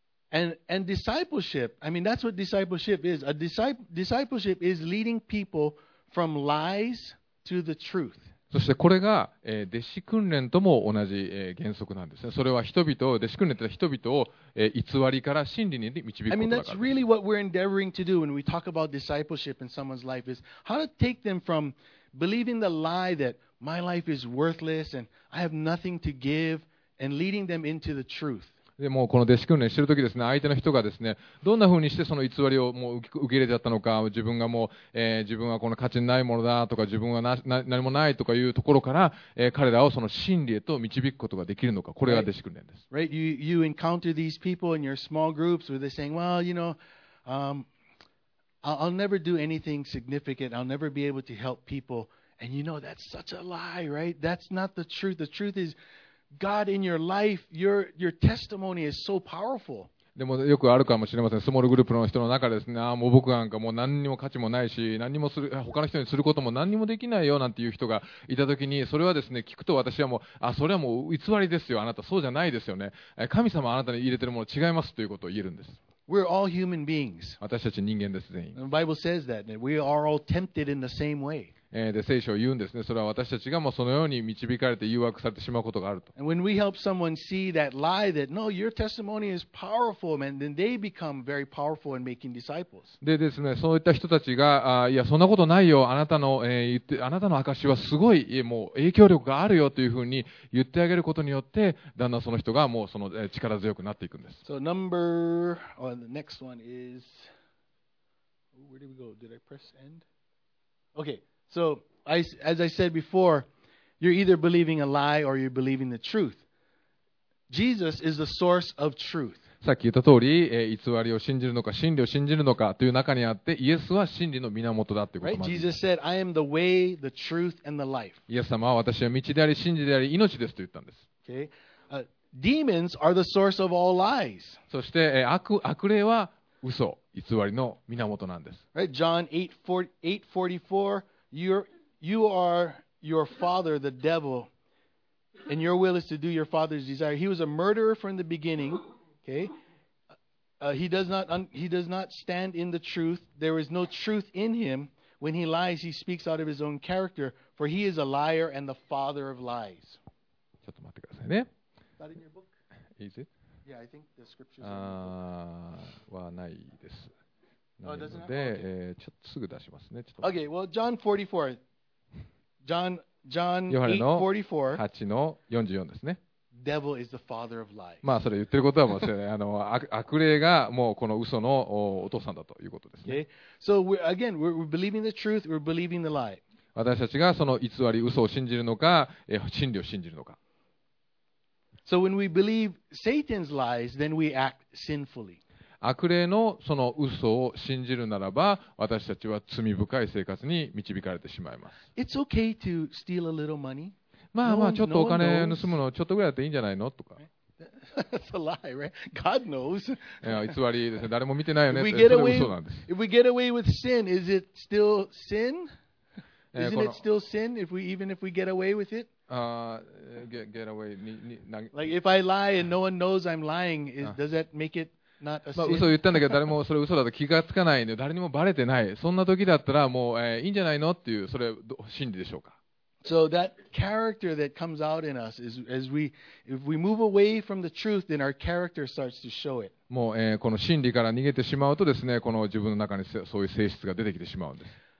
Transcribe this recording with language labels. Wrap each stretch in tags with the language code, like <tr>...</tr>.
<en>And discipleship, I mean, that's what discipleship is. Discipleship is leading people from lies to the truth.</en> <ja>そしてこれが、弟子訓練とも同じ、原則なんですね。それは人々を、弟子訓練というのは人々を、偽りから真理に導くことだから。</ja> <en>I mean, that's really what we're endeavoring to do when we talk about discipleship in someone's life is how to take them from believing the lie that my life is worthless and I have nothing to give and leading them into the truth.</en> <ja>でもこの弟子訓練してるときですね、相手の人がですね、どんな風にしてその偽りをもう受け入れちゃったのか、自分がもう、自分はこの価値ないものだとか、自分は何もないとかいうところから、彼らをその真理へと導くことができるのか、これが弟子訓練です。</ja> <en>Right, you encounter these people in your small groups where they're saying, well, you know, I'll never do anything significant, I'll never be able to help people, and you know, that's such a lie, right? That's not the truth. The truth is,God in your life, your testimony is so powerful.</en> <ja>でもよくあるかもしれません。スモールグループの人の中でですね、ああもう僕なんかもう何にも価値もないし、何にもする他の人にすることも何にもできないよなんていう人がいたときに、それはですね、聞くと私はもう、あ、それはもう偽りですよ。あなたそうじゃないですよね。神様あなたに入れてるもの違いますということを言えるんです。</ja> <en>We're all human beings.</en> <ja>私たち人間です全員。</ja> <en>The Bible says that we are all tempted in the same way.</en> <ja>で聖書を言うんですね。それは私たちがもうそのように導かれて誘惑されてしまうことがあると。</ja> <en>And when we help someone see that lie that no, your testimony is powerful, man, then they become very powerful in making disciples.</en> <ja>でですね、そういった人たちが、あ、いやそんなことないよ、あなたの、言ってあなたの証はすごい、もう影響力があるよというふうに言ってあげることによって、だんだんその人がもうその、力強くなっていくんです。</ja> <en>So number or the next one is where did we go? Did I press end? Okay. So, as I said before, you're either believing a lie or you're believing the truth. Jesus is the source of truth.</en> <ja>さっき言った通り、偽りを信じるのか真理を信じるのかという中にあって、イエスは真理の源だということなんです。</ja> <en>Jesus said, I am the way, the truth, and the life.</en> <ja>イエス様は私は道であり真理であり命ですと言ったんです。</ja> <en>Okay. Demons are the source of all lies.</en> <ja>そして、悪霊は嘘、偽りの源なんです。</ja> <en>Right? John 8:44, you are your father, the devil, and your will is to do your father's desire. He was a murderer from the beginning. Okay. He does not stand in the truth. There is no truth in him. When he lies, he speaks out of his own character, for he is a liar and the father of lies.</en> <ja>ちょっと待ってくださいね。</ja> <en>Is that in your book? Is it? Yeah, I think the scriptures are</en> <ja>はないです。なので、ちょっとすぐ出しますね。ちょっと。</ja> <en>Okay, well, John 44. John</en> <ja>8:44 ですね。</ja> <en>Devil is the father of lies.</en> <ja>まあそれ言ってることはもうですよね。悪霊がもうこの嘘のお父さんだということですね。</ja> <en>Okay. So we're believing the truth, we're believing the lie.</en> <ja>私たちがその偽り嘘を信じるのか、真理を信じるのか。</ja> <en>So when we believe Satan's lies, then we act sinfully.</en> <ja>悪霊のその嘘を信じるならば、私たちは罪深い生活に導かれてしまいます。</ja> <en>It's okay to steal a little money.</en> <ja>まあまあちょっとお金盗むのちょっとぐらいだっていいんじゃないのとか。</ja> <en>It's a lie, right? God knows.</en> <ja>偽りですね。誰も見てないよね。それが嘘なんです。</ja> <en>If we get away with sin, is it still sin? Isn't it still sin if we get away with it? Get away. Like if I lie and no one knows I'm lying, does that make it not a sin?</en> <ja>嘘を言ったんだけど誰もそれ嘘だと気がつかないんで誰にもバレてない。そんな時だったらもういいんじゃないのっていうそれ真理でしょうか。</ja> <en>So that character that comes out in us is as we if we move away from the truth, then our character starts to show it.</en> <ja>もう、この真理から逃げてしまうとですね、この自分の中にそういう性質が出てきてしまうんです。</ja>